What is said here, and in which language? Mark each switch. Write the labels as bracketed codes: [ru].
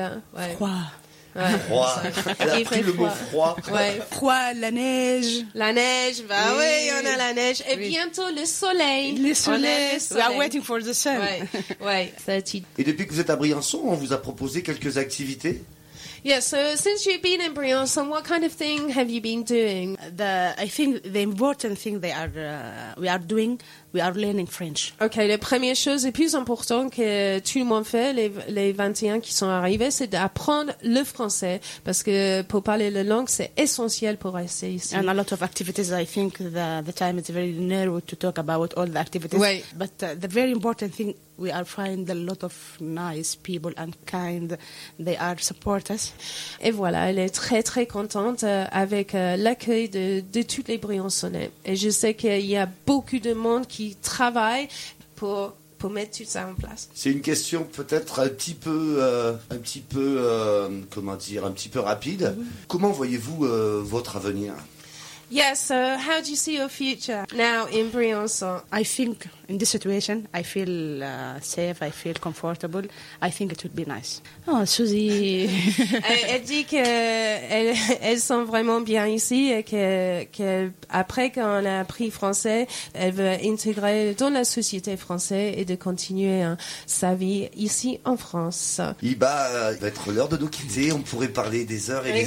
[fr] Hein. Ouais. Froid. Ouais, froid. Elle a pris froid. Le mot froid. Ouais. Froid, la neige. La neige, bah oui, oui on a la neige. Et oui. Bientôt le soleil. Le soleil. [en] We are waiting for the sun. [fr] Ouais. Ouais. Et depuis que vous êtes à Briançon, on vous a proposé quelques activités? [en] Yeah, so since you've been in Briançon, what kind of thing have you been doing? I think the important thing we are doing we are learning French. [fr] Okay, les premières choses les plus importantes que tout le monde fait, les 21 qui sont arrivés, c'est d'apprendre le français, parce que pour parler la langue, c'est essentiel pour rester ici. [en] And a lot of activities, I think the time is very narrow to talk about all the activities. [fr] Oui. [en] But the very important thing, we are find a lot of nice people and kind. They are support us. [fr] Et voilà, elle est très très contente avec l'accueil de toutes les Briançonnais. Et je sais qu'il y a beaucoup de monde qui travaille pour mettre tout ça en place. C'est une question peut-être un petit peu rapide. Mm-hmm. Comment voyez-vous votre avenir? [en] Yes, so how do you see your future now in Briançon? I think in this situation, I feel safe, I feel comfortable. I think it would be nice. Oh, Susie! [fr] elle dit qu'elle sent vraiment bien ici et qu'après quand on a appris français, elle veut intégrer dans la société française et de continuer sa vie ici en France. Il va être l'heure de nous quitter. On pourrait parler des heures et